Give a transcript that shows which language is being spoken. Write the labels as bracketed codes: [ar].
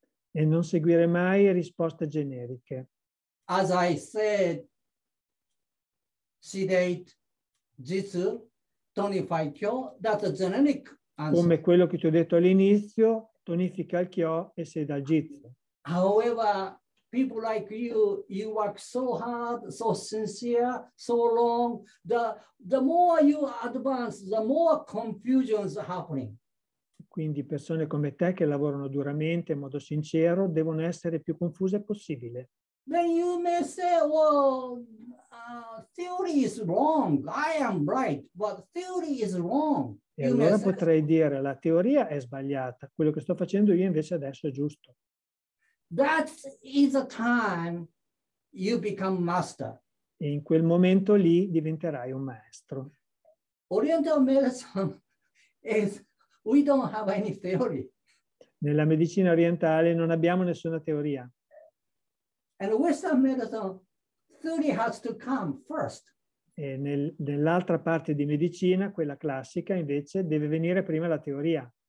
[it] E non seguire mai risposte generiche. [en] As I said, sedate, jitsu, tonify kyo, that's a generic answer. [it] Come quello che ti ho detto all'inizio, tonifica il kyo e sedal jitsu. [en] However, people like you, you work so hard, so sincere, so long. The more you advance, the more confusions happening. [it] Quindi persone come te che lavorano duramente, in modo sincero, devono essere più confuse possibile. [en] Then you may say, well, theory is wrong. I am right, but theory is wrong. [it] E allora potrei dire, la teoria è sbagliata. Quello che sto facendo io invece adesso è giusto. [en] That is a time you become master. [it] E in quel momento lì diventerai un maestro. [en] Oriental medicine is we don't have any theory. [it] Nella medicina orientale non abbiamo nessuna teoria. [en] And Western medicine theory has to come first. [it] E nell'altra parte di medicina, quella classica, invece deve venire prima la teoria.